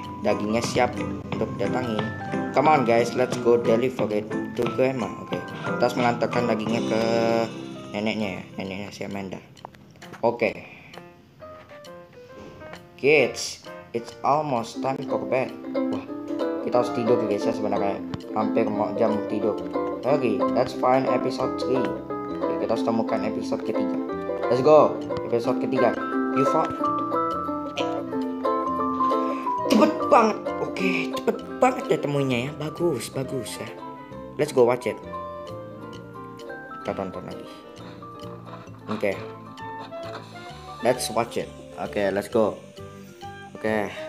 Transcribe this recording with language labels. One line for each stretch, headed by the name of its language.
Indonesian: Dagingnya siap untuk datangin.
English: Come on guys, let's go deliver it to grandma.
Indonesian: Oke, okay. Kita harus mengantarkan dagingnya ke neneknya ya. Neneknya si Amanda.
English: Oke, okay. Kids, it's almost time for bed. Wah,
Indonesian: kita harus tidur guys ya sebenarnya. Hampir mau jam tidur.
English: Okay, let's find episode 3.
Indonesian: Okay, kita harus temukan episode ketiga.
English: Let's go.
Indonesian: Episode ketiga.
English: You found.
Indonesian: Cepet banget. Okay, cepet banget ya temunya ya. Bagus, bagus ya.
English: Let's go watch it.
Indonesian: Kita tonton lagi. Okay.
English: Let's watch it.
Indonesian: Okay, let's go. Okay.